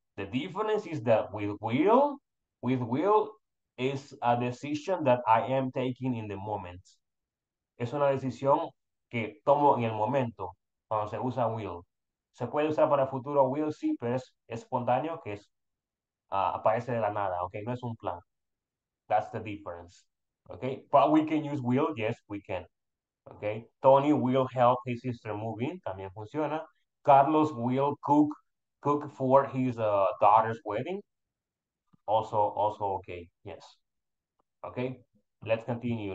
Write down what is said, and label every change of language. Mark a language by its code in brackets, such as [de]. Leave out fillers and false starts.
[en] The difference is that with will, is a decision that I am taking in the moment. [es] Es una decisión que tomo en el momento cuando se usa will. Se puede usar para futuro will, sí, pero es espontáneo, que es aparece de la nada, okay? No es un plan. [en] That's the difference, [es] okay? [en] But we can use will, yes, we can, okay? Tony will help his sister move in, [es] también funciona. [en] Carlos will cook for his daughter's wedding. Also okay, yes. Okay, let's continue.